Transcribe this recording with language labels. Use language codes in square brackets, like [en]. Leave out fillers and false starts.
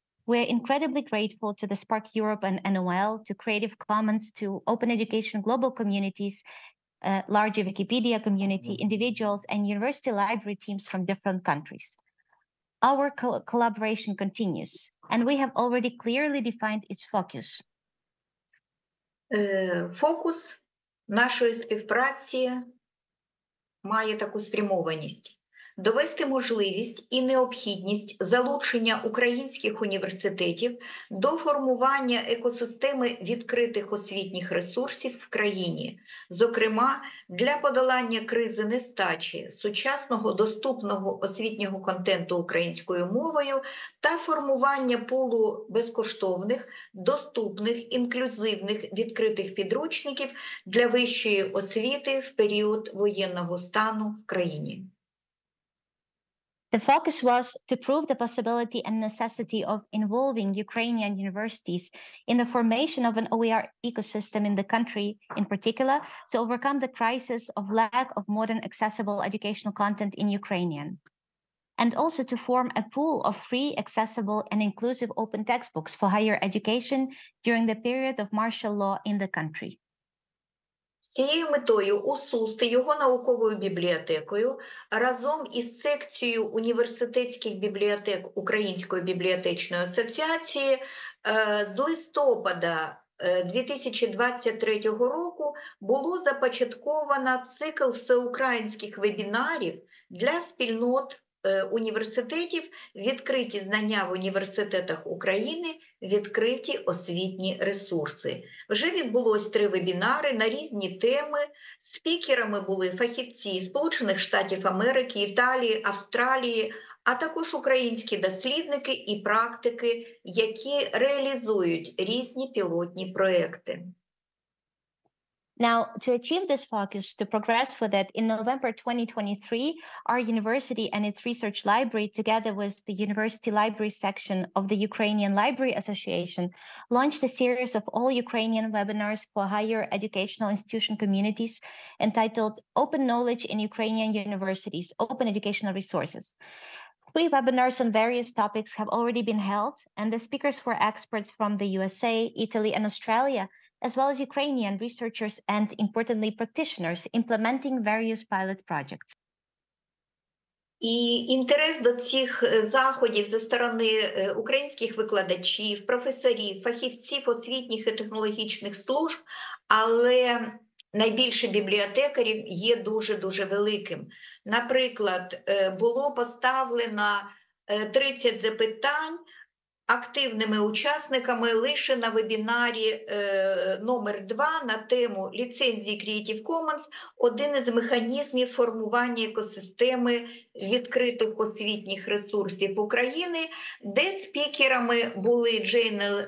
[en] We're incredibly grateful to the Spark Europe and NOL, to Creative Commons, to Open Education Global Communities, larger Wikipedia community, individuals, and university library teams from different countries. Our collaboration continues, and we have already clearly defined its focus. [uk] Фокус нашої співпраці має таку спрямованість. Довести можливість і необхідність залучення українських університетів до формування екосистеми відкритих освітніх ресурсів в країні, зокрема для подолання кризи нестачі сучасного доступного освітнього контенту українською мовою та формування пулу безкоштовних, доступних, інклюзивних відкритих підручників для вищої освіти в період воєнного стану в країні. The focus was to prove the possibility and necessity of involving Ukrainian universities in the formation of an OER ecosystem in the country, in particular, to overcome the crisis of lack of modern accessible educational content in Ukrainian, and also to form a pool of free, accessible, and inclusive open textbooks for higher education during the period of martial law in the country. З цією метою у СУЗ та його науковою бібліотекою разом із секцією університетських бібліотек Української бібліотечної асоціації з листопада 2023 року було започатковано цикл всеукраїнських вебінарів для спільнот університетів «Відкриті знання в університетах України. Відкриті освітні ресурси». Вже відбулось 3 вебінари на різні теми. Спікерами були фахівці Сполучених Штатів Америки, Італії, Австралії, а також українські дослідники і практики, які реалізують різні пілотні проекти. [en] Now, to achieve this focus, to progress with it, in November 2023, our university and its research library, together with the University Library Section of the Ukrainian Library Association, launched a series of all Ukrainian webinars for higher educational institution communities entitled Open Knowledge in Ukrainian Universities, Open Educational Resources. 3 webinars on various topics have already been held, and the speakers were experts from the USA, Italy, and Australia, as well as Ukrainian researchers and, importantly, practitioners implementing various pilot projects. [uk] І інтерес до цих заходів зі сторони українських викладачів, професорів, фахівців освітніх і технологічних служб, але найбільше бібліотекарів є дуже-дуже великим. Наприклад, було поставлено 30 запитань активними учасниками лише на вебінарі номер 2 на тему ліцензії Creative Commons, один із механізмів формування екосистеми відкритих освітніх ресурсів України, де спікерами були Джейн